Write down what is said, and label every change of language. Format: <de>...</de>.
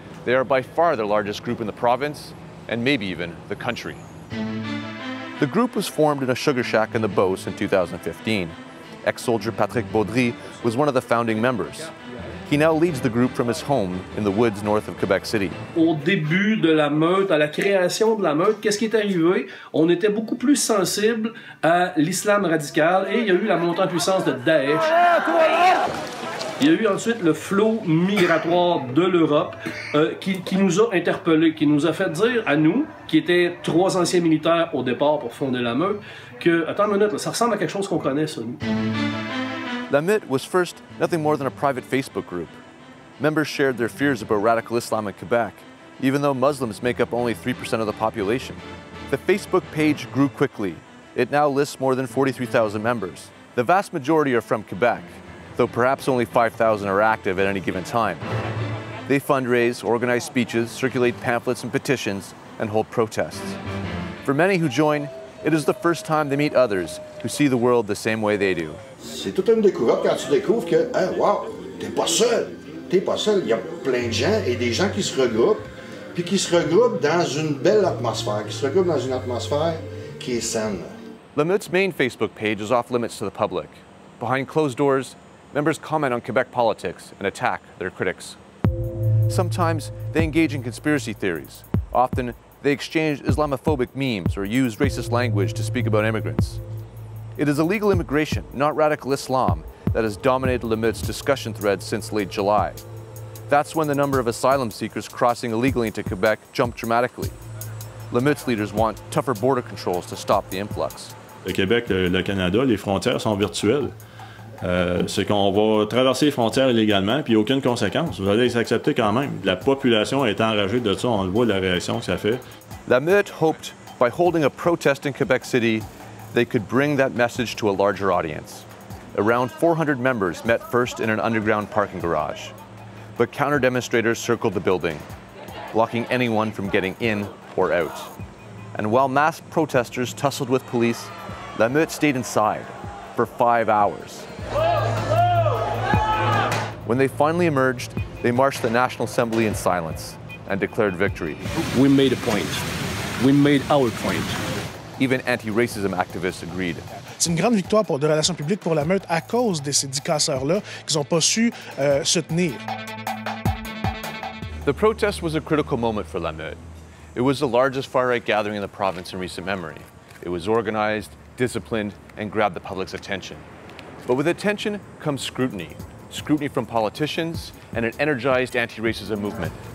<en>They are by far the largest group in the province, and maybe even the country. The group was formed in a sugar shack in the Beauce in 2015. Ex-soldier Patrick Baudry was one of the founding members. He now leads the group from his home in the woods north of Quebec City.</en> <fr>Au début de la meute, à la création de la meute, qu'est-ce qui est arrivé? On était beaucoup plus sensible à l'islam radical et il y a eu la montée en puissance de Daesh. Il y a eu ensuite le flot migratoire de l'Europe qui nous a interpellés, qui nous a fait dire à nous, qui étaient trois anciens militaires au départ pour fonder la meute, que, attends une minute, là, ça ressemble à quelque chose qu'on connaît, ça, nous.</fr> <en>La Mutte was first nothing more than a private Facebook group. Members shared their fears about radical Islam in Quebec, even though Muslims make up only 3% of the population. The Facebook page grew quickly. It now lists more than 43,000 members. The vast majority are from Quebec, though perhaps only 5,000 are active at any given time. They fundraise, organize speeches, circulate pamphlets and petitions, and hold protests. For many who join, it is the first time they meet others who see the world the same way they do.</en> <fr>C'est toute une découverte quand tu découvres que, hein, wow, t'es pas seul. T'es pas seul. Il y a plein de gens et des gens qui se regroupent, puis qui se regroupent dans une belle atmosphère, qui se regroupent dans une atmosphère qui est saine.</fr> <en>La Mutte's main Facebook page is off limits to the public. Behind closed doors, members comment on Quebec politics and attack their critics. Sometimes they engage in conspiracy theories. Often they exchange Islamophobic memes or use racist language to speak about immigrants. It is illegal immigration, not radical Islam, that has dominated La Mutte's discussion thread since late July. That's when the number of asylum seekers crossing illegally into Quebec jumped dramatically. La Mutte's leaders want tougher border controls to stop the influx.</en> <fr>Le Québec, le Canada, les frontières sont virtuelles. C'est qu'on va traverser les frontières illégalement, puis aucune conséquence. Vous allez s'accepter quand même. La population est enragée de ça. On le voit la réaction que ça fait.</fr> <en>La Mutte hoped by holding a protest in Quebec City, they could bring that message to a larger audience. Around 400 members met first in an underground parking garage. But counter-demonstrators circled the building, blocking anyone from getting in or out. And while mass protesters tussled with police, La Mutte stayed inside for 5 hours. When they finally emerged, they marched the National Assembly in silence and declared victory. We made a point. We made our point. Even anti-racism activists agreed.</en> <fr>C'est une grande victoire pour de relations publiques pour la meute à cause de ces 10 casseurs là qu'ils ont pas su se tenir.</fr> <en>The protest was a critical moment for La Meute. It was the largest far-right gathering in the province in recent memory. It was organized, disciplined, and grabbed the public's attention. But with attention comes scrutiny. Scrutiny from politicians and an energized anti-racism movement.</en>